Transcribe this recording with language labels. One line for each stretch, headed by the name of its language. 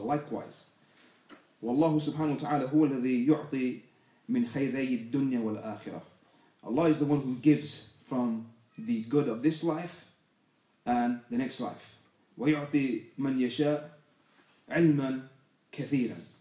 Arabic: Likewise, والله سبحانه وتعالى هو الذي يعطي من خيري الدنيا والآخرة.
English: Allah is the one who gives from the good of this life and the next life.
Arabic: ويعطي من يشاء علما كثيرا.